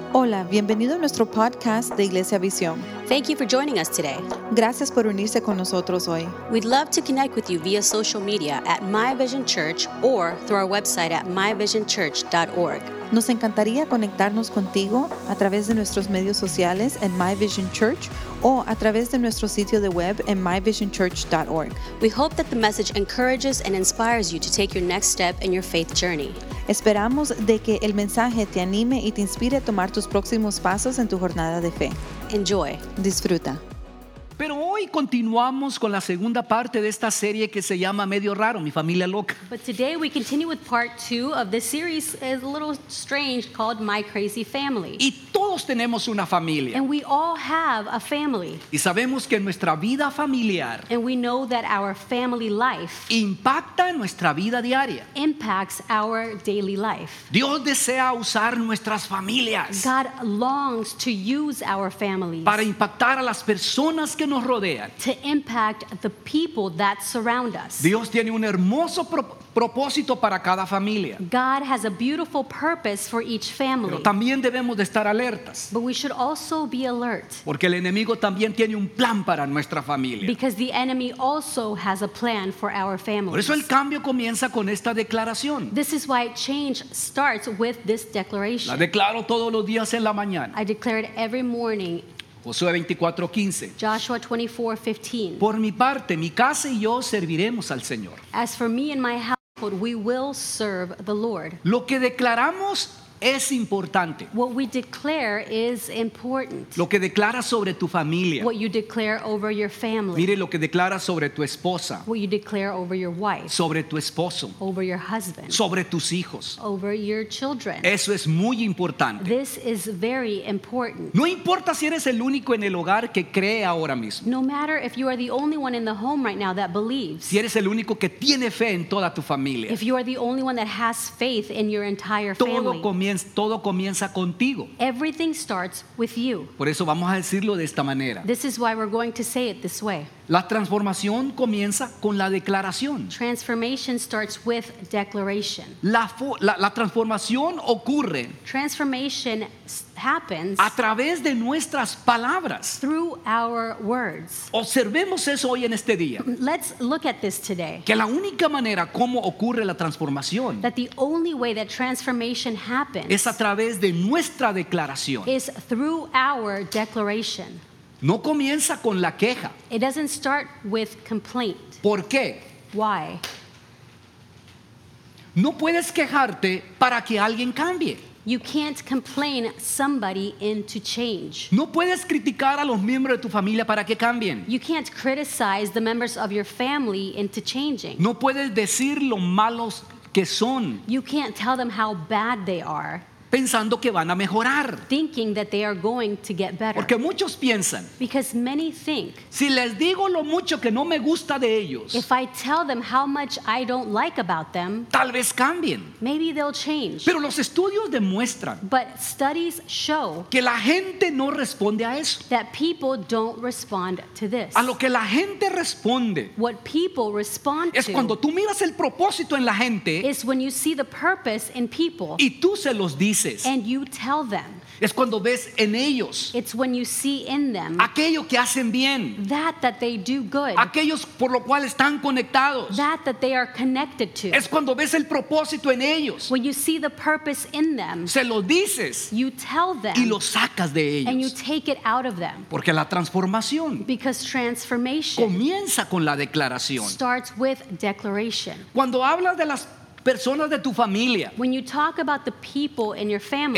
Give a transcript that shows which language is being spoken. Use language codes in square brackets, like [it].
[es] Hola, bienvenido a nuestro podcast de Iglesia Visión. [en] Thank you for joining us today. [es] Gracias por unirse con nosotros hoy. [en] We'd love to connect with you via social media at My Vision Church or through our website at myvisionchurch.org. [es] Nos encantaría conectarnos contigo a través de nuestros medios sociales en My Vision Church o a través de nuestro sitio de web en myvisionchurch.org. [en] We hope that the message encourages and inspires you to take your next step in your faith journey. [es] Esperamos de que el mensaje te anime y te inspire a tomar tus próximos pasos en tu jornada de fe. [en] Enjoy. [es] Disfruta. Pero hoy continuamos con la segunda parte de esta serie que se llama Medio Raro, Mi Familia Loca. [en] But today we continue with part two of this series, a little strange, called My Crazy Family. [es] Y todos tenemos una familia. [en] And we all have a family. [es] Y sabemos que nuestra vida familiar. [en] And we know that our family life. [es] Impacta nuestra vida diaria. [en] Impacts our daily life. [es] Dios desea usar nuestras familias. [en] God longs to use our families. [es] Para impactar a las personas que nos rodean. [en] To impact the people that surround us. [es] Dios tiene un hermoso propósito para cada familia. [en] God has a beautiful purpose for each family. [es] Pero también debemos de estar alertas. [en] But we should also be alert. [es] Porque el enemigo también tiene un plan para nuestra familia. [en] Because the enemy also has a plan for our families. [es] Por eso el cambio comienza con esta declaración. [en] This is why change starts with this declaration. [es] La declaro todos los días en la mañana. [en] I declare it every morning. Joshua 24:15. [es] Por mi parte, mi casa y yo serviremos al Señor. [en] As for me and my household, we will serve the Lord. [es] Lo que declaramos es importante. [en] What we declare is important. [es] Lo que declaras sobre tu familia. [en] What you declare over your family. [es] Mire lo que declaras sobre tu esposa. [en] What you declare over your wife. [es] Sobre tu esposo. [en] Over your husband. [es] Sobre tus hijos. [en] Over your children. [es] Eso es muy importante. [en] This is very important. [es] No importa si eres el único en el hogar que cree ahora mismo. [en] No matter if you are the only one in the home right now that believes. [es] Si eres el único que tiene fe en toda tu familia. [en] If you are the only one that has faith in your entire family. [es] Todo comienza contigo. [en] Everything starts with you. [es] Por eso vamos a decirlo de esta manera. [en] This is why we're going to say it this way. [es] La transformación comienza con la declaración. [en] Transformation starts with declaration. [es] La transformación ocurre. [en] Transformation happens. [es] A través de nuestras palabras. [en] Through our words. [es] Observemos eso hoy en este día. [en] Let's look at this today. [es] Que la única manera como ocurre la transformación. [en] That the only way that transformation happens. [es] Es a través de nuestra declaración. [en] Is through our declaration. [es] No comienza con la queja. [en] It doesn't start with complaint. [es] ¿Por qué? [en] Why? [es] No puedes quejarte para que alguien cambie. [en] You can't complain somebody into change. [es] No puedes criticar a los miembros de tu familia para que cambien. [en] You can't criticize the members of your family into changing. [es] No puedes decir lo malos que son. [en] You can't tell them how bad they are. [es] Pensando que van a mejorar. [en] Thinking that they are going to get better. [es] Porque muchos piensan. [en] Because many think. [es] Si les digo lo mucho que no me gusta de ellos. [en] If I tell them how much I don't like about them. [es] Tal vez cambien. [en] Maybe they'll change. [es] Pero los estudios demuestran. [en] But studies show. [es] Que la gente no responde a eso. [en] That people don't respond to this. [es] A lo que la gente responde. [en] What people respond [es] es [en] to. [es] Es cuando tú miras el propósito en la gente. [en] Is when you see the purpose in people. [es] Y tú se los dices. [en] And you tell them. [es] Es cuando ves en ellos. [en] It's when you see in them. [es] Aquello que hacen bien. [en] That they do good. [es] Aquellos por lo cual están conectados. [en] That they are connected to. [es] Es cuando ves el propósito en ellos. [en] When you see the purpose in them. [es] Se lo dices. [en] You tell them. [es] Y lo sacas de ellos. [en] And you take it out of them. [es] Porque la transformación. [en] Because transformation. [es] Comienza con la declaración. [en] Starts with declaration. [es] Cuando hablas de las personas de tu familia. [en] When you talk about the people in your family.